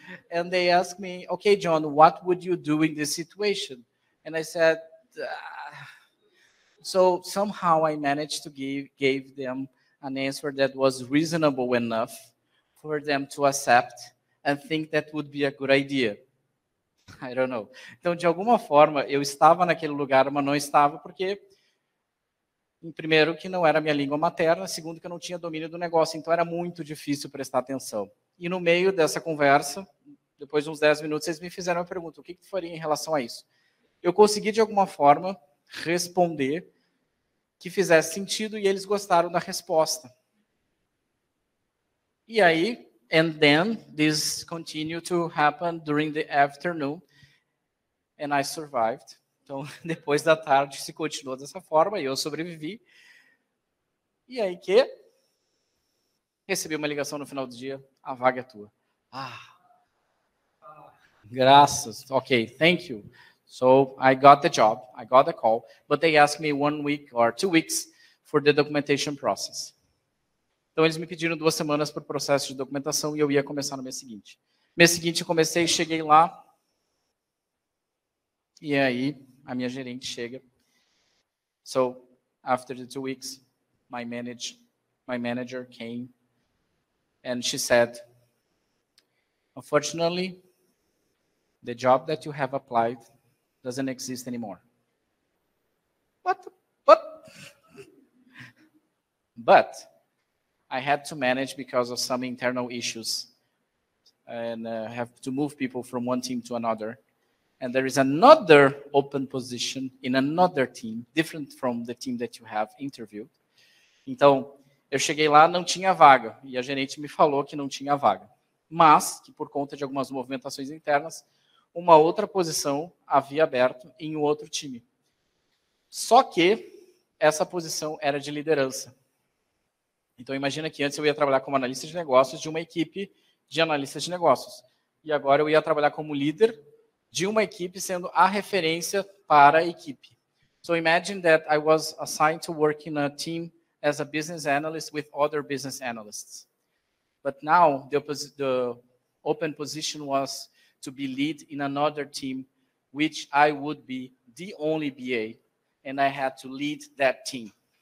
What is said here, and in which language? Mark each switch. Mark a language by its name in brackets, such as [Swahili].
[English] And they asked me, okay, John, what would you do in this situation? And I said, So somehow I managed to gave them an answer that was reasonable enough for them to accept and think that would be a good idea. I don't know. [Portuguese] Então, de alguma forma, eu estava naquele lugar, mas não estava porque, primeiro, que não era minha língua materna, segundo, que eu não tinha domínio do negócio, então era muito difícil prestar atenção. E no meio dessa conversa, depois de uns 10 minutos, eles me fizeram a pergunta, o que que tu faria em relação a isso? Eu consegui, de alguma forma, responder que fizesse sentido e eles gostaram da resposta. E aí, [English] and then, this continued to happen during the afternoon, and I survived. [Portuguese] Então, depois da tarde, se continuou dessa forma e eu sobrevivi. E aí que? Recebi uma ligação no final do dia, a vaga é tua. [English] Ah, [Portuguese] graças, [English] ok, thank you. So, I got the job, I got the call, but they asked me 1 week or 2 weeks for the documentation process. [Portuguese] Então, eles me pediram 2 semanas para o processo de documentação e eu ia começar no mês seguinte. Mês seguinte, eu comecei, cheguei lá. E aí, a minha gerente chega. [English] So, after the 2 weeks, my manager came and she said, unfortunately, the job that you have applied doesn't exist anymore. What? But I had to manage because of some internal issues and have to move people from one team to another. And there is another open position in another team, different from the team that you have interviewed. [Portuguese] Então, eu cheguei lá, não tinha vaga. E a gerente me falou que não tinha vaga. Mas, que por conta de algumas movimentações internas, uma outra posição havia aberto em um outro time. Só que essa posição era de liderança. Então, imagina que antes eu ia trabalhar como analista de negócios de uma equipe de analistas de negócios. E agora eu ia trabalhar como líder de uma equipe sendo a referência para a equipe. [English] So imagine that I was assigned to work in a team as a business analyst with other business analysts. But now the open position was to be lead in another team, which I would be the only BA, and I had to lead that team.